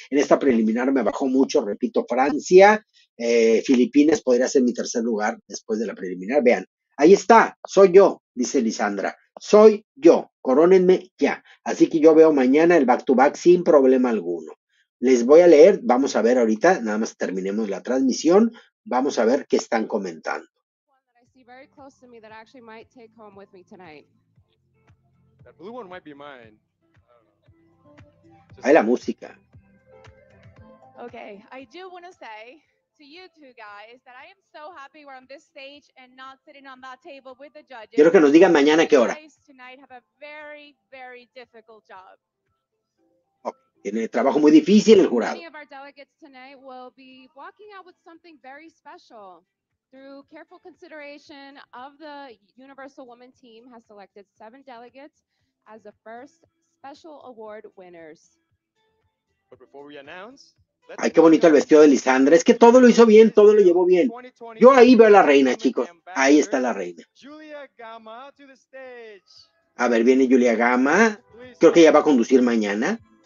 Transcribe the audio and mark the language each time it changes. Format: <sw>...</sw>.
<es>En esta preliminar me bajó mucho, repito, Francia, Filipinas podría ser mi tercer lugar después de la preliminar. Vean, ahí está, soy yo, dice Lisandra. Soy yo, corónenme ya. Así que yo veo mañana el back to back sin problema alguno. Les voy a leer, vamos a ver ahorita, nada más terminemos la transmisión, vamos a ver qué están comentando.</es> <en>Very close to me that actually might take home with me tonight. That blue one might be mine.</en> <es>Ahí la música.</es> <en>Okay, I do want to say to you two guys that I am so happy we're on this stage and not sitting on that table with the judges.</en> <es>Quiero que nos digan mañana qué hora.</es> <en>Guys tonight have a very, very difficult job.</en> <es>Tiene trabajo muy difícil el jurado.</es> <en>Many of our delegates tonight will be walking out with something very special. Through careful consideration of the Universal Woman team has selected 7 delegates as the first special award winners. But before we announce,</en> <es>Ay, qué bonito el vestido de Lisandra. Es que todo lo hizo bien, todo lo llevó bien. Yo ahí veo a la reina, chicos. Ahí está la reina.</es> <en>Julia Gama to the stage.</en> <es>A ver, viene Julia Gama. Creo que ella va a conducir mañana.</es>